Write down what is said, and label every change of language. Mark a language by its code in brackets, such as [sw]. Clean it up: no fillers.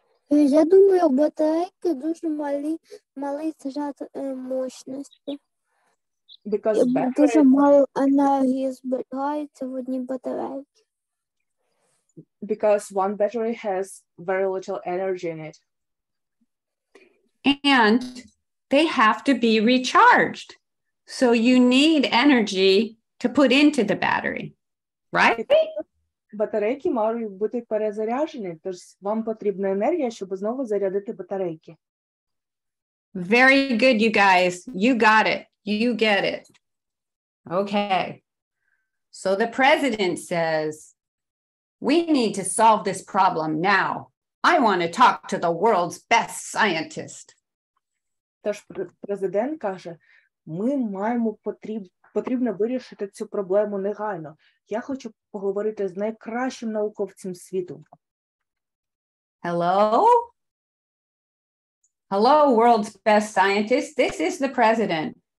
[uk] Я думаю, батарейки дуже малі, малий заряд мощності. [en] Because battery... [uk] Дуже мало енергії збирається в одній батарейці. [en] Because one battery has very little energy in it. And they have to be recharged. So you need energy to put into the battery. Right? [uk] Батарейки мають бути перезаряджені, тож вам потрібна енергія, щоб знову зарядити батарейки. [en] Very good, you guys. You got it. You get it. Okay. So the president says, we need to solve this problem now. I want to talk to the world's best scientist. [uk] Тож президент каже, ми маємо потрібно вирішити цю проблему негайно. Я хочу поговорити з найкращим науковцем світу. [en] Hello? Hello, world's best scientist. This is the president.